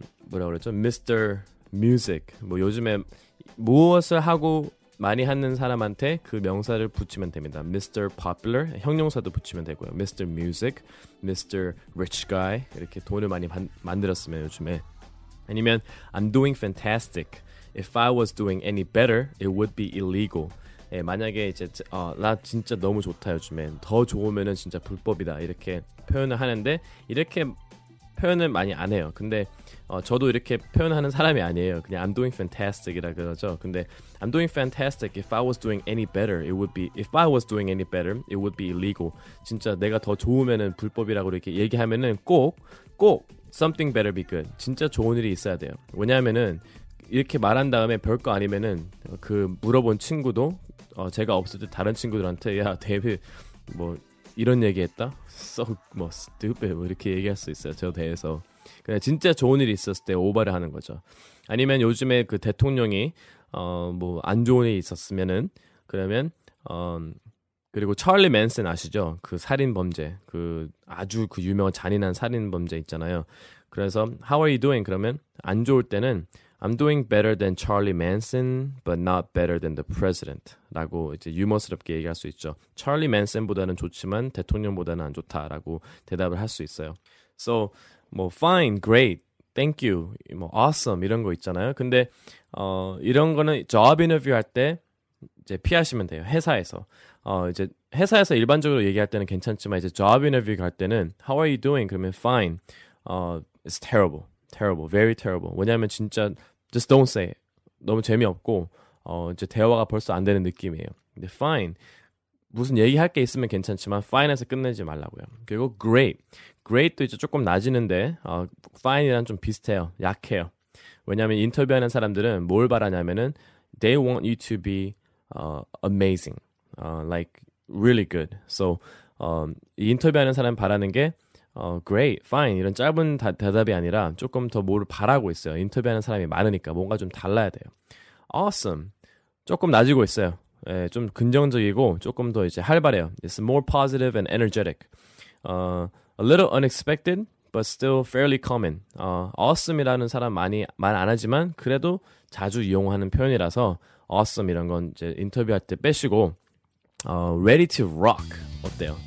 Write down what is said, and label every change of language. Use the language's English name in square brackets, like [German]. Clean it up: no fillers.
[Korean] 뭐라 그랬죠? Mr. Music. 뭐 요즘에 무엇을 하고 많이 하는 사람한테 그 명사를 붙이면 됩니다. Mr. Popular, 형용사도 붙이면 되고요. Mr. Music, Mr. Rich Guy, 이렇게 돈을 많이 만들었으면 요즘에. 아니면 [English] I'm doing fantastic. If I was doing any better, it would be illegal. [Korean] 예, 만약에 이제 나 진짜 너무 좋다 요즘에. 더 좋으면은 진짜 불법이다. 이렇게 표현을 하는데 이렇게 표현을 많이 안 해요. 근데 저도 이렇게 표현하는 사람이 아니에요. 그냥 I'm doing fantastic이라 그러죠. [English] 근데 I'm doing fantastic. If I was doing any better, it would be if I was doing any better, it would be illegal. [Korean] 진짜 내가 더 좋으면은 불법이라고 이렇게 얘기하면은 꼭 [English] something better be good. [Korean] 진짜 좋은 일이 있어야 돼요. 왜냐하면은 이렇게 말한 다음에 별거 아니면은 그 물어본 친구도 제가 없을 때 다른 친구들한테 야 데뷔 뭐 이런 얘기했다? So 뭐 stupid 뭐 이렇게 얘기할 수 있어요. 저 대해서 그냥 진짜 좋은 일이 있었을 때 오바를 하는 거죠. 아니면 요즘에 그 대통령이 뭐 안 좋은 일이 있었으면은 그러면 그리고 찰리 맨슨 아시죠? 그 살인범죄 그 아주 그 유명한 잔인한 살인범죄 있잖아요. [English] 그래서 How are you doing? [Korean] 그러면 안 좋을 때는 [English] I'm doing better than Charlie Manson, but not better than the president. [Korean] 라고 이제 유머스럽게 얘기할 수 있죠. Charlie Manson보다는 좋지만 대통령보다는 안 좋다라고 대답을 할 수 있어요. So, 뭐 fine, great, thank you, 뭐 awesome 이런 거 있잖아요. 근데 이런 거는 job interview 할 때 이제 피하시면 돼요. 회사에서 이제 회사에서 일반적으로 얘기할 때는 괜찮지만 이제 job interview 갈 때는 [English] How are you doing? 그러면 fine, it's terrible. Terrible, very terrible. [Korean] 왜냐하면 진짜 [English] just don't say it. [Korean] 너무 재미없고 이제 대화가 벌써 안 되는 느낌이에요. 근데 fine, 무슨 얘기할 게 있으면 괜찮지만 fine에서 끝내지 말라고요. 그리고 great, great도 이제 조금 낮이는데 fine이랑 좀 비슷해요. 약해요. 왜냐하면 인터뷰하는 사람들은 뭘 바라냐면은 [English] they want you to be amazing, like really good. [Korean] So 이 인터뷰하는 사람 바라는 게 great, fine 이런 짧은 대답이 아니라 조금 더 뭘 바라고 있어요. 인터뷰하는 사람이 많으니까 뭔가 좀 달라야 돼요. Awesome, 조금 낮이고 있어요. 예, 좀 긍정적이고 조금 더 이제 활발해요. [English] It's more positive and energetic. A little unexpected, but still fairly common. [Korean] Awesome이라는 사람 많이 말 안 하지만 그래도 자주 이용하는 표현이라서 awesome 이런 건 이제 인터뷰할 때 빼시고 [English] ready to rock [Korean] 어때요?